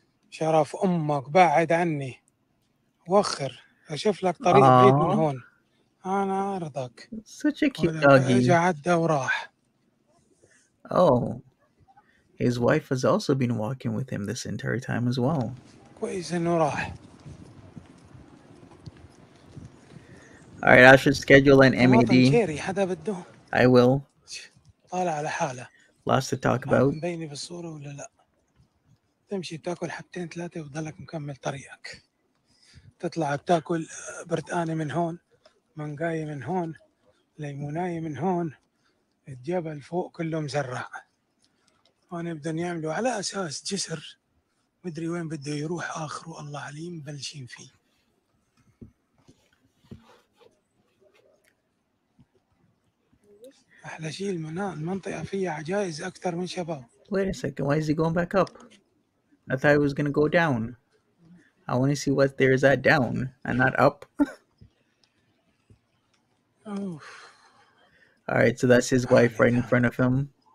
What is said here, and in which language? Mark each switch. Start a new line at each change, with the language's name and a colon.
Arabic: شرف امك بعد عني وخر اشوف لك طريق بعيد من هون. انا ارضك.
English: Such a cute doggy.
Arabic: اجا عدى وراح.
English: Oh, his wife has also been walking with him this entire time as well.
Arabic: كويس انه راح.
English: Alright, I should schedule an MAD.
Arabic: حدا بده.
English: I will.
Arabic: طالع على حاله.
English: Lots to talk about.
Arabic: مبيني بالصورة ولا لا؟ تمشي تأكل حبتين ثلاثة وتضلك مكمل طريقك. تطلع تأكل برتقانة من هون، مانجاية من هون، ليموناية من هون. الجبل فوق كله مزرع. هون بدهم يعملوا على أساس جسر. مدري وين بده يروح آخر والله عليم بلشين فيه. أحلى شيء المنطقة فيها عجائز أكثر من شباب.
English: Wait a second, why is he going back up? I thought he was gonna go down. I want to see what there is at down and not up. Oh. All right, so that's his wife right in front of him.